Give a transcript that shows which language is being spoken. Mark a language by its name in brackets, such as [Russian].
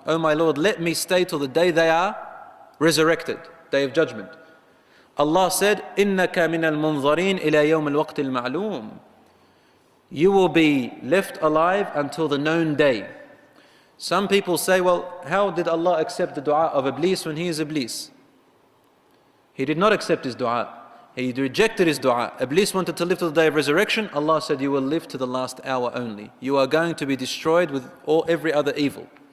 [English] Oh my Lord, let me stay till the day they are resurrected, day of judgment. Allah said, [Arabic] إِنَّكَ مِنَ الْمُنظَرِينَ إِلَى يَوْمِ الْوَقْتِ الْمَعْلُومِ. [English] You will be left alive until the known day. Some people say, well, how did Allah accept the dua of Iblis when he is Iblis? He did not accept his dua. He rejected his dua. Iblis wanted to live to the day of resurrection. Allah said, you will live to the last hour only. You are going to be destroyed with all every other evil.